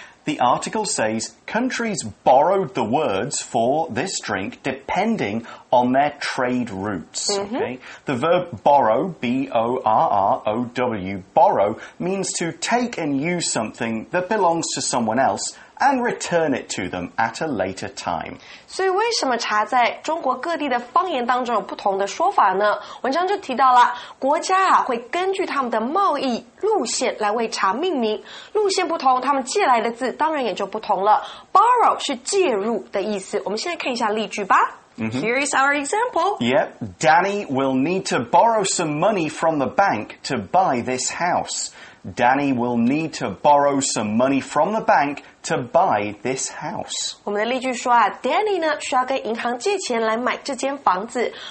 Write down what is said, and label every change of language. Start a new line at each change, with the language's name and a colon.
English: The article says countries borrowed the words for this drink depending on their trade routes.、Mm-hmm. Okay? The verb borrow, B-O-R-R-O-W, borrow, means to take and use something that belongs to someone else and return it to them at a later time.
Chinese: 所以为什么茶在中国各地的方言当中有不同的说法呢？文章就提到了，国家啊会根据他们的贸易路线来为茶命名，路线不同，他们借来的字当然也就不同了。 Borrow 是借入的意思。我们现在看一下例句吧。 Mm-hmm.
English: Here is our example. Yep, Danny will need to borrow some money from the bank to buy this house. Danny will need to borrow some money from the bank to buy this house.
Chinese: 我们的例句说啊 ,Danny 呢需要跟银行借钱来买这间房子。